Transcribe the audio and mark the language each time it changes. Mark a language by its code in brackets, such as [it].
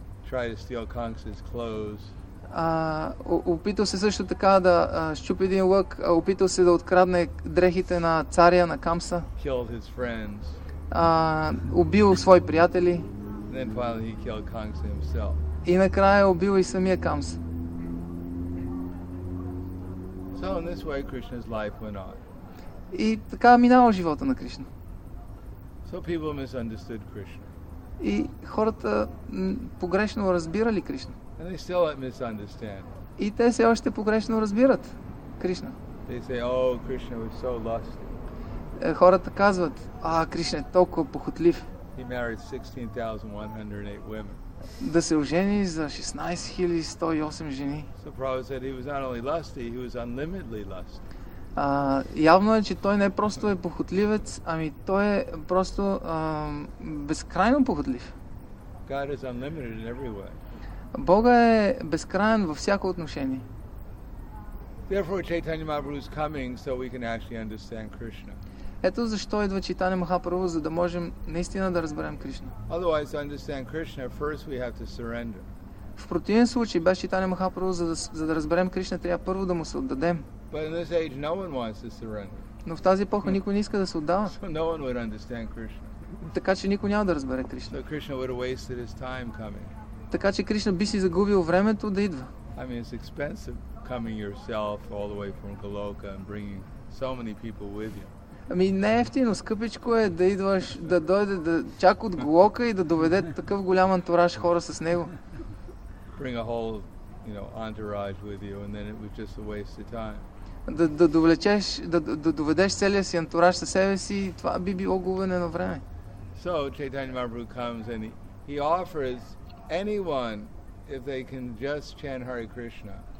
[en] Try to steal Kamsa's clothes. [bg] Опитал се също така да щупи един лък, опитал се да открадне дрехите на царя на Камса. [en] Killed his friends. [bg] Убил свои приятели. [en] Then finally he killed Kamsa himself. [bg] И накрая убил и самия Камса. [en] So in this way Krishna's life went on. [bg] И така минало живота на Кришна. [en] So people misunderstood Krishna. [bg] И хората погрешно разбирали Кришна. [en] And they still misunderstand. [bg] И те все още погрешно разбират Кришна. [en] They say, "О, Кришна, we're so lusty." [bg] Хората казват, а, Кришна е толкова похотлив. [en] He married 16,108 women. [bg] Да се ожени за 16,108 жени. [en] So Prabhupada said he was not only lusty, he was unlimitedly lusty. [bg] Явно е, че той не просто е похотливец, ами той е просто безкрайно похотлив. [en] God is unlimited in every way. [bg] Бога е безкраен във всяко отношение. [en] Therefore, Chaitanya Mahaprabhu is coming so we can actually understand Krishna. [bg] Ето защо идва Чайтанья Махапрабху, за да можем наистина да разберем Кришна. [en] Otherwise, to understand Krishna, first we have to surrender. [bg] В противен случай, без Чайтанья Махапрабху, за да разберем Кришна, трябва първо да му се отдадем. [en] But in this age, no one wants to surrender. [bg] Но в тази епоха никой не иска да се отдава. [en] So no one would understand Krishna. [bg] Така че никой няма да разбере Кришна. [en] So Krishna would have wasted his time coming. [bg] Така че Кришна би си загубил времето да идва. [en] I mean, it's expensive coming yourself all the way from Goloka and bringing so many people with you. [bg] Ами не ефтино, скъпичко е да идваш, да дойде, да чак от Голока и да доведе такъв голям антураж хора с него. [en] Bring a whole, you know, entourage with you, and then it was just a waste of time. [bg] Да доведеш целия си антураж със себе си, това би било губене на време. [en] So Chaitanya Mahaprabhu comes and he offers anyone if they can just chant Hare Krishna.